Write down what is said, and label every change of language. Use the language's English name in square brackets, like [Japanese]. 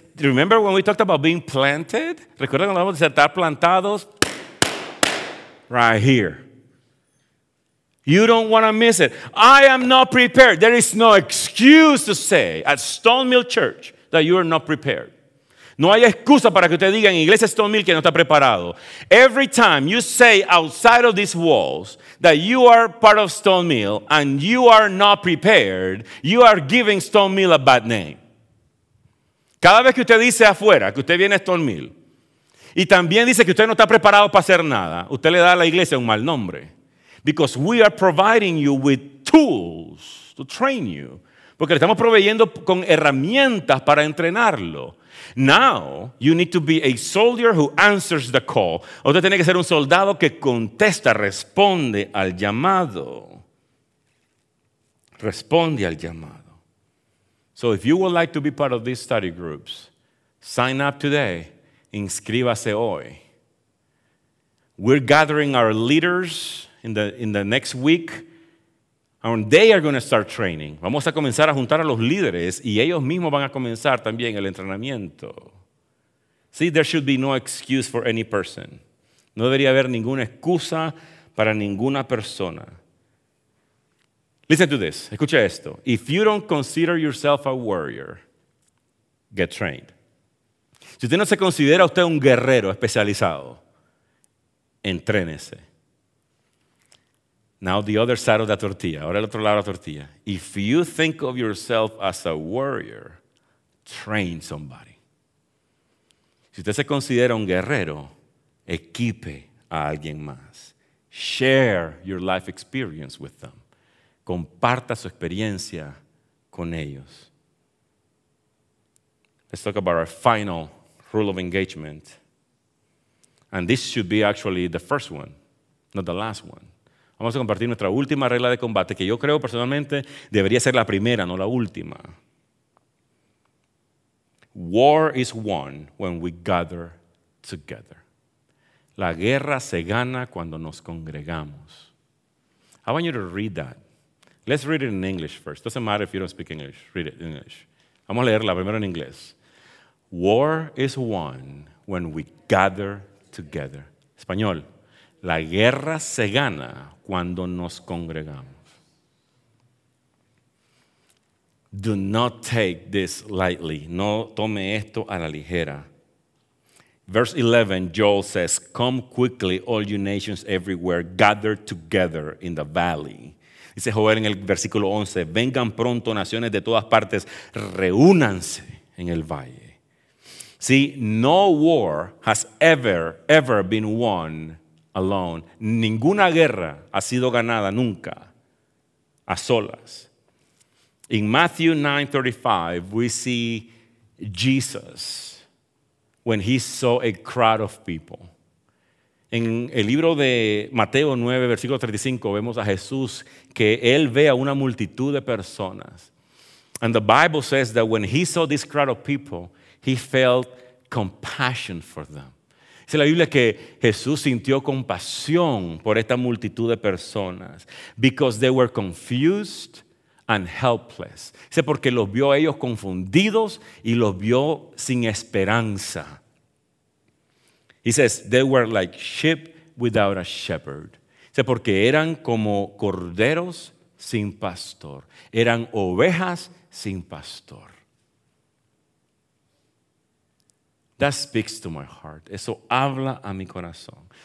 [English] Do you remember when we talked about being planted? [Spanish] ¿Recuerdan cuando hablamos de estar plantados? [English] Right here. You don't want to miss it. I am not prepared. There is no excuse to say at Stone Mill Church that you are not prepared. [Spanish] No hay excusa para que usted diga en Iglesia Stone Mill que no está preparado. [English] Every time you say outside of these walls that you are part of Stone Mill and you are not prepared, you are giving Stone Mill a bad name. [Spanish] Cada vez que usted dice afuera que usted viene a Stone Mill y también dice que usted no está preparado para hacer nada, usted le da a la iglesia un mal nombre. [English] Because we are providing you with tools to train you. [Spanish] Porque le estamos proveyendo con herramientas para entrenarlo. [English] Now, you need to be a soldier who answers the call. [Spanish] Usted tiene que ser un soldado que contesta, responde al llamado. Responde al llamado. [English] So if you would like to be part of these study groups, sign up today. [Spanish] Inscríbase hoy. [English] We're gathering our leaders in the next week. And they are going to start training. [Spanish] Vamos a comenzar a juntar a los líderes y ellos mismos van a comenzar también el entrenamiento. [English] See, there should be no excuse for any person. [Spanish] No debería haber ninguna excusa para ninguna persona. [English] Listen to this. [Spanish] Escucha esto. [English] If you don't consider yourself a warrior, get trained. [Spanish] Si usted no se considera usted un guerrero especializado, entrénese. [English] Now the other side of the tortilla. [Spanish] Ahora el otro lado de la tortilla. [English] If you think of yourself as a warrior, train somebody. [Spanish] Si usted se considera un guerrero, equipe a alguien más. [English] Share your life experience with them. [Spanish] Comparta su experiencia con ellos. [English] Let's talk about our final rule of engagement. And this should be actually the first one, not the last one. [Spanish] Vamos a compartir nuestra última regla de combate, que yo creo personalmente debería ser la primera, no la última. [English] War is won when we gather together. [Spanish] La guerra se gana cuando nos congregamos. [English] I want you to read that. Let's read it in English first. Doesn't matter if you don't speak English. Read it in English. [Spanish] Vamos a leerla primero en inglés. [English] War is won when we gather together. [Spanish] Español. La guerra se gana cuando nos congregamos. [English] Do not take this lightly. [Spanish] No tome esto a la ligera. [English] Verse 11, Joel says, come quickly, all you nations everywhere, gather together in the valley. [Spanish] Dice Joel en el versículo 11, vengan pronto naciones de todas partes, reúnanse en el valle. [English] See, no war has ever been won alone. [Spanish] Ninguna guerra ha sido ganada nunca a solas. [English] In Matthew 9:35, we see Jesus when he saw a crowd of people. [Spanish] En el libro de Mateo 9, versículo 35, vemos a Jesús que él ve a una multitud de personas. [English] And the Bible says that when he saw this crowd of people, he felt compassion for them. [Spanish] Dice la Biblia que Jesús sintió compasión por esta multitud de personas [English] because they were confused and helpless. [Spanish] Dice porque los vio a ellos confundidos y los vio sin esperanza. [English] He says, they were like sheep without a shepherd. [Spanish] Dice porque eran como corderos sin pastor. Eran ovejas sin pastor. [English] That speaks to my heart. [Spanish] Eso habla a mi corazón.